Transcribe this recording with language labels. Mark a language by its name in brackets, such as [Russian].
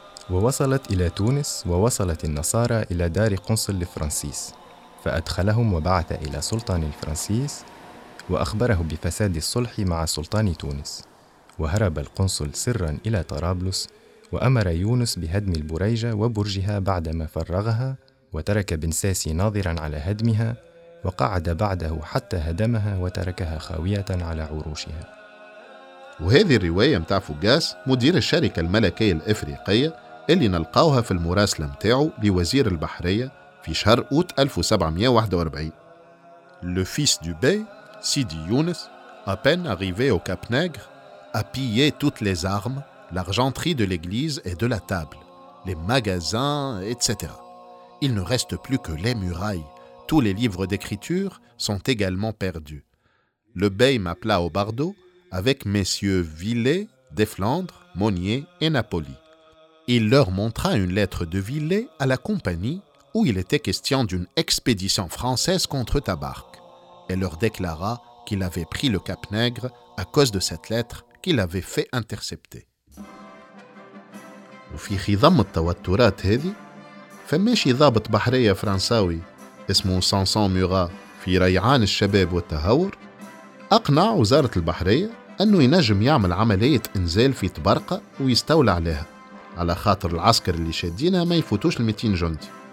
[Arabic] ووصلت إلى تونس، ووصلت النصارى إلى دار قنصل الفرنسيس، فأدخلهم وبعث إلى سلطان الفرنسيس وأخبره بفساد الصلح مع سلطان تونس، وهرب القنصل سرا إلى طرابلس، وأمر يونس بهدم البريجة وبرجها بعدما فرغها، وترك بن ساسي ناظرا على هدمها، وقعد بعده حتى هدمها وتركها خاوية على عروشها. وهذه الرواية متاع فوجاس مدير الشركة الملكية الإفريقية اللي نلقاوها في المراسلة متاعه لوزير البحرية في شهر أوت 1741. [French] Le fils du Bey, Sidi Younes, à peine arrivé au Cap Nègre, a pillé toutes les armes, l'argenterie de l'église et de la table, les magasins, etc. Il ne reste plus que les murailles. Tous les livres d'écriture sont également perdus. Le Bey m'appela au Bardo avec messieurs Villet, Desflandres, Monnier et Napoli. Il leur montra une lettre de Villet à la compagnie où il était question d'une expédition française contre Tabarque, et leur déclara qu'il avait pris le Cap Nègre à cause de cette lettre qu'il avait fait intercepter. [Arabic] وفي خضم التوترات هذه فماشي ضابط بحرية فرنساوي اسمه سانسون ميغا في ريعان الشباب والتهور، أقنع وزارة البحرية أنه ينجم يعمل عملية إنزال في طبرقة ويستولى عليها على خاطر العسكر اللي شادينها ما يفوتوش 200 جندي.